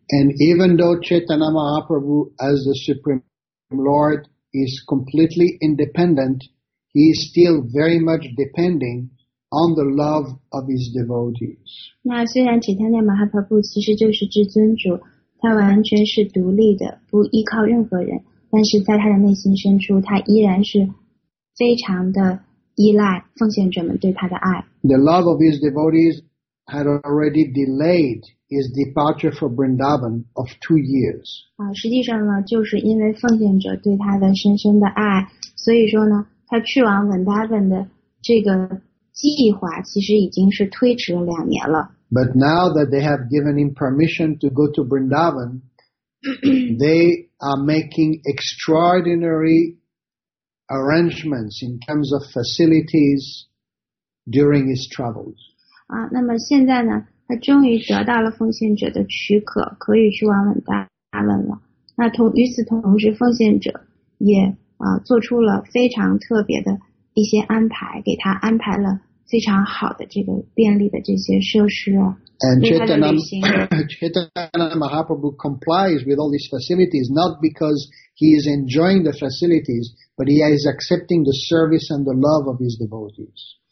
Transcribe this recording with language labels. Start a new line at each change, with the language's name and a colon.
English: And even though Chaitanya Mahaprabhu as the Supreme Lord is completely independent, he is still very much depending on the love of his devotees.
Chinese: 那虽然 Chaitanya Mahaprabhu 其实就是至尊主，他完全是独立的，不依靠任何人，但是在他的内心深处，他依然是非常的依赖奉献者们对他的爱。
English: The love of his devotees had already delayed his departure for Vrindavan of 2 years.
Chinese: 实际上呢，就是因为奉献者对他的深深的爱，所以说呢，他去往 Vrindavan 的这个计划其实已经是推迟了两年了。
English: But now that they have given him permission to go to Vrindavan, they are making extraordinary arrangements in terms of facilities during his travels.
Chinese: 那么现在呢，他终于得到了奉献者的许可，可以去往文达文了。那与此同时，奉献者也做出了非常特别的一些安排，给他安排了非常好的这个便利的这些设施啊。
English: And Chaitanya Mahaprabhu complies with all these facilities, not because he is enjoying the facilities, but he is accepting the service and the love of his devotees.